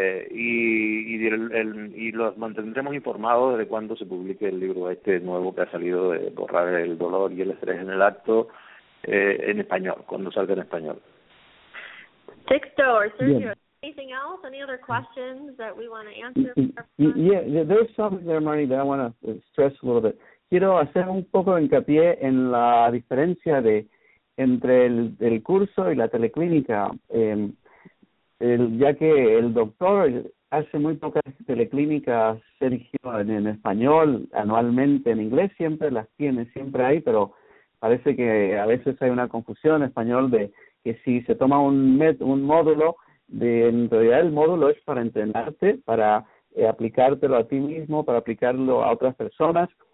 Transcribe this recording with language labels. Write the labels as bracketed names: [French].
[Spanish] Y los mantendremos informados de cuándo se publique el libro este nuevo que ha salido de Borrar el dolor y el estrés en el acto en español, cuando salga en español. Sixto, Sergio. Bien. [English] Anything else? Any other questions that we want to answer? Yeah, there's something there, Marnie, that I want to stress a little bit. [Spanish] Quiero hacer un poco de hincapié en la diferencia entre el curso y la teleclínica, ya que el doctor hace muy pocas teleclínicas, Sergio, en español, anualmente en inglés, siempre las tiene, siempre hay, pero parece que a veces hay una confusión en español de que si se toma un módulo, en realidad el módulo es para entrenarte, para aplicártelo a ti mismo, para aplicarlo a otras personas.